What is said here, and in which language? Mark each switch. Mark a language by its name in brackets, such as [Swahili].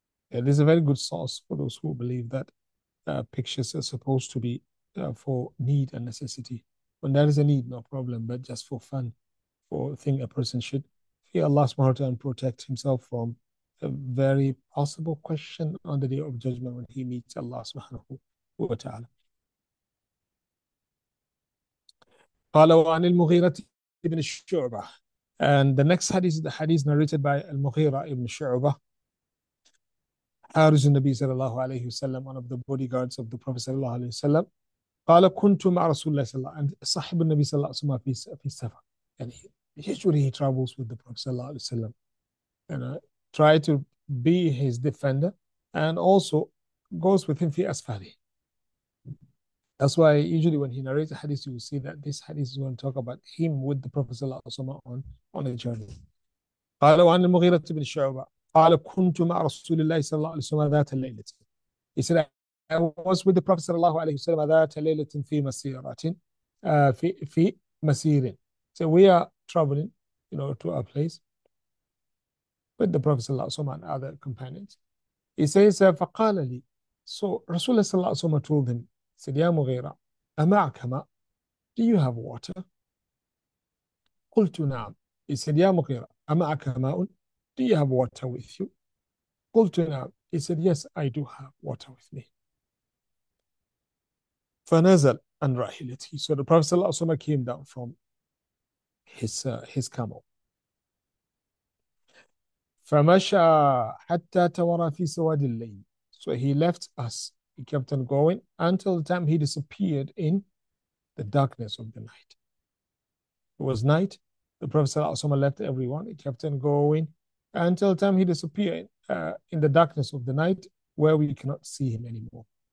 [English] It is a very good source for those who believe that pictures are supposed to be for need and necessity. When there is a need, no problem, but just for fun, for thing a person should fear Allah subhanahu wa ta'ala and protect himself from a very possible question on the day of judgment when he meets Allah subhanahu wa ta'ala. [Arabic] قال وعن المغيرة بن الشعبة. [English] And the next hadith is the hadith narrated by Al-Mughira ibn Shu'bah. Harizun Nabi sallallahu alayhi wa sallam, one of the bodyguards of the Prophet sallallahu alayhi wa sallam. [Arabic] Qala kuntu ma'a Rasulullah sallallahu alayhi wa sallam. [English] And [Arabic] sahib Nabi sallallahu alayhi wa sallam fi safar. [English] And usually he travels with the Prophet sallallahu alayhi wa sallam. And try to be his defender. And also goes with him fi asfari. That's why usually when he narrates a hadith, you will see that this hadith is going to talk about him with the Prophet on a journey. [Arabic] قال وعن المغيرة بن شعبة قال كنت مع رسول الله صلى الله عليه وسلم ذات الليلة. [English] He said, I was with the Prophet [Arabic] صلى الله عليه وسلم ذات ليلة في مسيرة في مسير. [English] So we are traveling, you know, to a place with the Prophet صلى الله عليه وسلم and other companions. He says, [Arabic] فقال لي. [English] So [Arabic] رسول الله صلى الله عليه وسلم [English] told him, said, [Arabic] يا مغيرة أمعك ماء؟ [English] Do you have water? [Arabic] قلت نعم. [English] He said, [Arabic] يا مغيرة أمعك ماء؟ [English] Do you have water with you? [Arabic] قلت نعم. [English] He said, yes, I do have water with me. [Arabic] فنزل عن راحلتي. [English] So the Prophet صلى الله عليه وسلم came down from his camel. [Arabic] فمشى حتى تورى في سواد الليل. [English] So he left us. He kept on going until the time he disappeared in the darkness of the night. It was night. The Prophet ﷺ left everyone. He kept on going until the time he disappeared in the darkness of the night, where we cannot see him anymore.